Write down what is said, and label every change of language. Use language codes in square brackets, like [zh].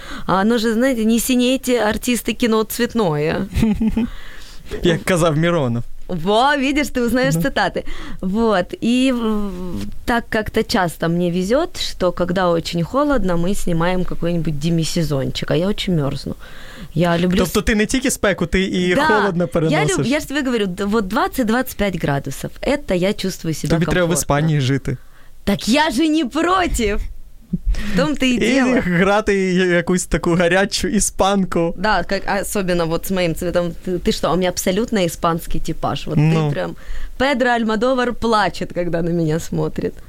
[ru] А оно же, знаете, не синейте артисты кино цветное. [uk] Я казав Миронов. [ru] Во, видишь, ты узнаешь цитаты. Вот. И так как-то часто мне везет, что когда очень холодно, мы снимаем какой-нибудь демисезончик, а я очень мерзну. Я люблю... [uk] Тобто ти не тільки спеку, ти і да, холодно переносиш. Я ж тобі говорю, от 20-25 градусів, це я чувствую себе комфортно. Тобі треба в Іспанії жити. Так я ж не проти. В тому ти і діла. І грати якусь таку гарячу іспанку. Так, да, особливо от з моїм цветом. Ти що, у мене абсолютно іспанський типаж. Вот ну. Ти прям... [ru] Педро Альмодовар плачет, когда на мене смотрить.